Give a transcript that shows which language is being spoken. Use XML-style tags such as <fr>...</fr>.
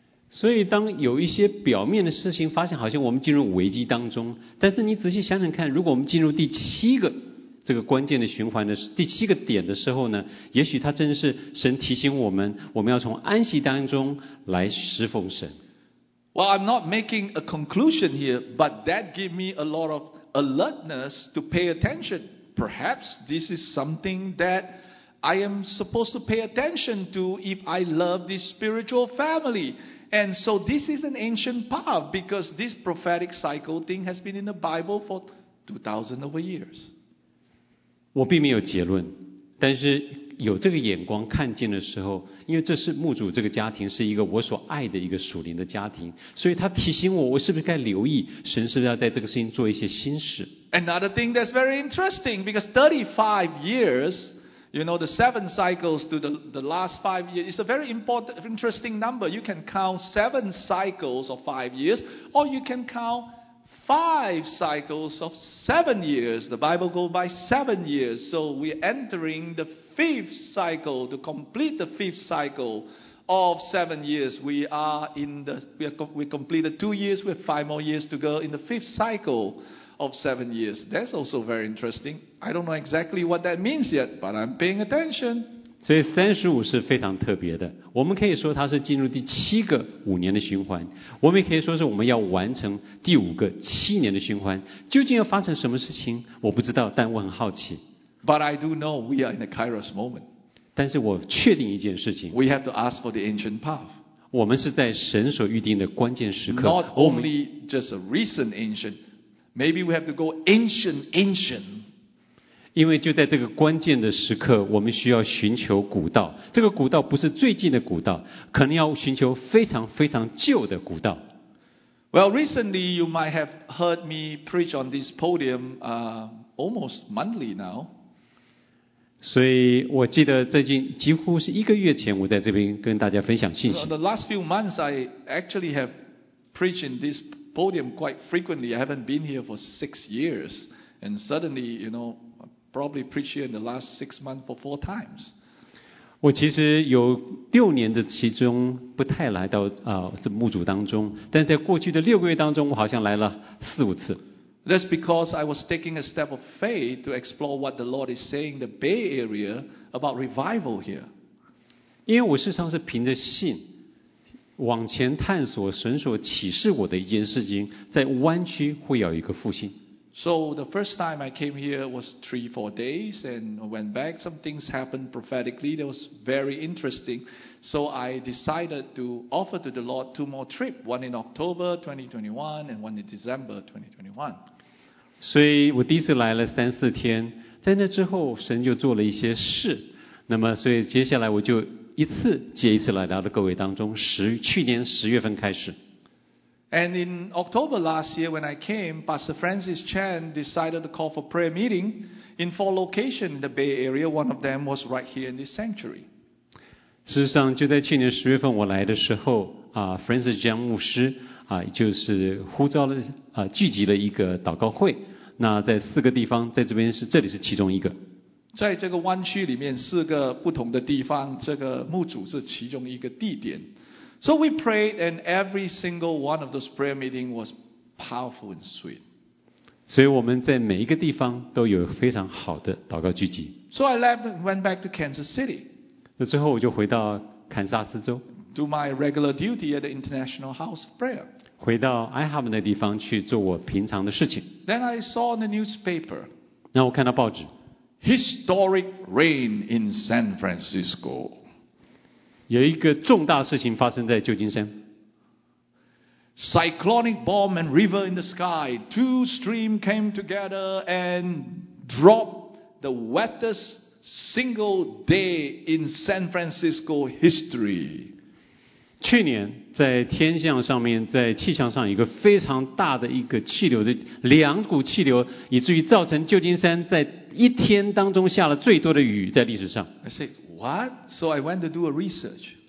<zh>所以当有一些表面的事情发现好像我们进入危机当中，但是你仔细想想看，如果我们进入第七个这个关键的循环的第七个点的时候呢，也许它真的是神提醒我们，我们要从安息当中来侍奉神。</zh> <en>Well, I'm not making a conclusion here, but that gave me a lot of alertness to pay attention. Perhaps this is something that I am supposed to pay attention to if I love this spiritual family. And so this is an ancient path because this prophetic cycle thing has been in the Bible for 2,000 over years.</en> <zh>我并没有结论，但是有这个眼光看见的时候，因为这是牧主这个家庭是一个我所爱的一个属灵的家庭，所以他提醒我，我是不是该留意神是不是要在这个事情做一些心事。</zh> <en>Another thing that's very interesting because 35 years, you know, the seven cycles to the last 5 years is a very important, interesting number. You can count seven cycles of 5 years, or you can count five cycles of 7 years. The Bible goes by 7 years, so we're entering the fifth cycle, to complete the fifth cycle of 7 years. We completed 2 years, we have 5 more years to go in the fifth cycle of 7 years. That's also very interesting. I don't know exactly what that means yet, but I'm paying attention.</en> <zh>所以35是非常特别的，我们可以说它是进入第七个五年的循环，我们也可以说是我们要完成第五个七年的循环。究竟要发生什么事情我不知道，但我很好奇。</zh> <en>But I do know we are in a Kairos moment.</en> <zh>但是我确定一件事情。</zh> <en>We have to ask for the ancient path.</en> <zh>我们是在神所预定的关键时刻。</zh> <en>Not only just a recent ancient, maybe we have to go ancient ancient.</en> <zh>因为就在这个关键的时刻，我们需要寻求古道。这个古道不是最近的古道，可能要寻求非常非常旧的古道。</zh> <en>Well, recently you might have heard me preach on this podium, almost monthly now.</en> <zh>所以我记得最近几乎是一个月前我在这边跟大家分享信息。</zh> <en>The last few months I actually have preached in this podium quite frequently. I haven't been here for 6 years. And suddenly, you know, probably preach here in the last 6 months for 4 times.</en> <zh>我其实有6年的其中不太来到这牧主当中，但在过去的6个月当中我好像来了4、5次。</zh> <en>That's because I was taking a step of faith to explore what the Lord is saying in the Bay Area about revival here.</en> <zh>因为我事实上是凭着信往前探索神所启示我的一件事情，在湾区会有一个复兴。</zh> <en>So the first time I came here was 3-4 days and went back. Some things happened prophetically that was very interesting. So I decided to offer to the Lord 2 more trips, one in October 2021 and one in December 2021.</en> <zh>所以我第一次来了3-4天，在那之后神就做了一些事。那么所以接下来我就一次接一次来到了各位当中，去年10月份开始。</zh> <en>And in October last year when I came, Pastor Francis Chan decided to call for prayer meeting in 4 locations in the Bay Area. One of them was right here in this sanctuary.</en> <zh>事实上就在去年10月份我来的时候Francis Chan 牧师就是呼召了聚集了一个祷告会，那在4个地方，在这边是这里是其中一个。在这个湾区里面4个不同的地方，这个牧主是其中一个地点。</zh> <en>So we prayed, and every single one of those prayer meetings was powerful and sweet.</en> <zh>所以我们在每一个地方都有非常好的祷告聚集。</zh> <en>So I left and went back to Kansas City.</en> <zh>那之后我就回到堪萨斯州。</zh> <en>Do my regular duty at the International House of Prayer.</en> <zh>回到 IHOP 那地方去做我平常的事情。</zh> <en>Then I saw in the newspaper.</en> <zh>那我看到报纸。</zh> <en>Historic rain in San Francisco.</en> <zh>有一个重大事情发生在旧金山。</zh> <en>Cyclonic bomb and river in the sky, two streams came together and dropped the wettest single day in San Francisco history.</en> <zh>去年在天象上面，在气象上有一个非常大的一个气流的两股气流，以至于造成旧金山在一天当中下了最多的雨在历史上。</zh> <en>I say what? So I went to do a research.</en>